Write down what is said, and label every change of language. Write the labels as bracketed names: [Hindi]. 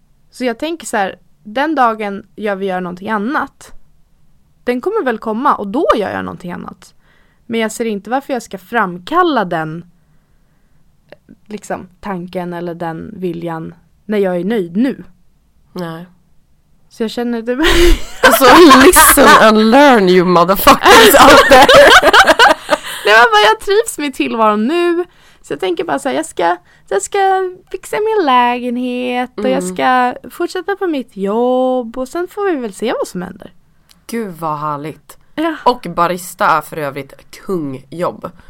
[Swedish] Så jag tänker så här, den dagen jag vill göra någonting annat, den kommer väl komma och då gör jag någonting annat. Men jag ser inte varför jag ska framkalla den liksom tanken eller den viljan när jag är nöjd nu. Nej. Så jag känner det. Alltså [English] listen and learn you motherfuckers out there. [Swedish] Det var bara, jag trivs med tillvaro nu. Så jag tänker bara så här, jag ska fixa min lägenhet och jag ska fortsätta på mitt jobb och sen får vi väl se vad som händer. Gud vad härligt. Ja. Och barista är för övrigt kungjobb.